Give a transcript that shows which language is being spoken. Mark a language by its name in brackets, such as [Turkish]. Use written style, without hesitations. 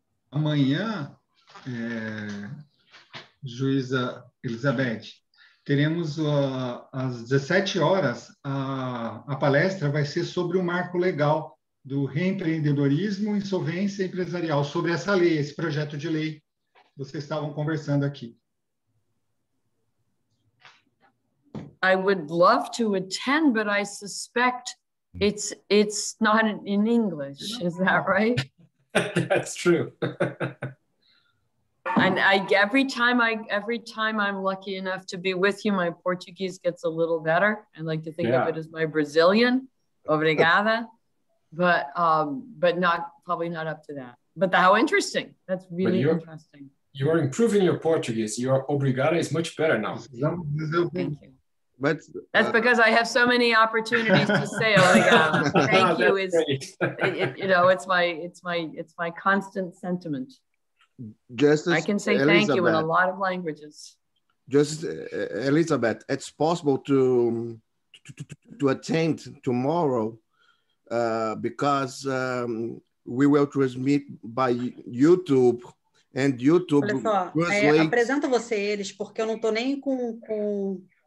[Portuguese] Amanhã, juíza Elizabeth, teremos às 17 horas, a palestra vai ser sobre o marco legal do reempreendedorismo, insolvência empresarial, sobre essa lei, esse projeto de lei que vocês estavam conversando aqui. [English] I would love to attend, but I suspect it's not in English, is that right? That's true. And every time I'm lucky enough to be with you, my Portuguese gets a little better. I like to think of it as my Brazilian, obrigada, but not probably not up to that. But how interesting! That's really interesting. You're improving your Portuguese. Your obrigada is much better now. Thank you. But that's because I have so many opportunities to say, oh my God, thank you. It's my constant sentiment. Justice, I can say Elizabeth, thank you in a lot of languages. Justice Elizabeth, it's possible to attend tomorrow because we will transmit by YouTube. And YouTube. [Portuguese] Olha só, apresento você eles porque eu não estou nem com...